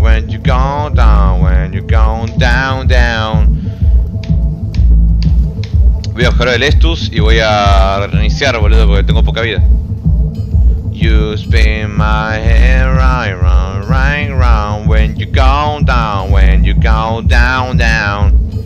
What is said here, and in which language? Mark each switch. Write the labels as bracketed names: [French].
[English] When you go down, when you go down, down. [Spanish] Voy a bajar el Estus y voy a reiniciar, boludo, porque tengo poca vida. [English] You spin my head right round, right round. When you go down, when you go down, down.